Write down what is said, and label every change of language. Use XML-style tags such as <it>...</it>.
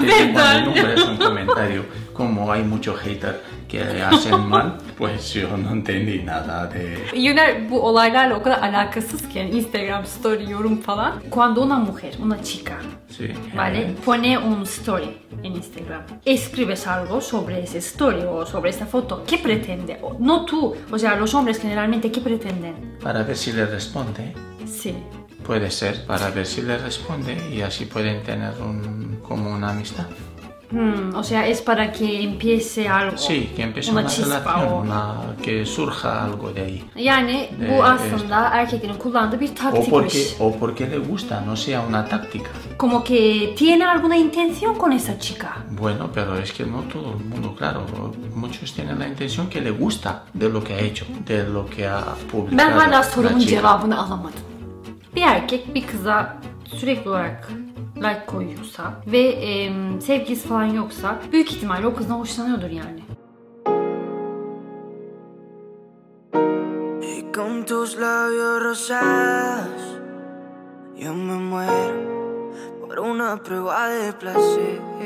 <es>que cuando es un comentario, como hay muchos haters que hacen mal, pues yo no entendí nada de...</es> <tr>Yöner, bu olaylarla o kadar alakasız ki, yani Instagram story, yorum falan.</tr> <es>Cuando una mujer, una chica, sí, vale, evet, pone un story en Instagram, escribes algo sobre ese story o sobre esa foto, ¿qué pretende? No tú, o sea, los hombres generalmente, ¿qué pretenden? Para ver si le responde. Sí. Puede ser, para ver si le responde y así pueden tener un, como una amistad. O sea, es para que empiece algo. Sí, que empiece una chispa, relación, o... una, que surja algo de ahí.</es> <tr>Yani de, bu aslında esto. Erkeklerin kullandığı bir taktikmiş.</tr> <es>O porque le gusta, no sea una táctica. Como que tiene alguna intención con esa chica. Bueno, pero es que no todo el mundo, claro. Muchos tienen la intención que le gusta de lo que ha hecho, de lo que ha publicado.</es> <tr>Ben hala sorumun cevabını alamadım. Bir erkek bir kıza sürekli olarak like koyuyorsa ve sevgilisi falan yoksa büyük ihtimalle o kızdan hoşlanıyordur yani.</tr> <es>Y con tus labios rosas yo me muero por una prueba de placer.</es>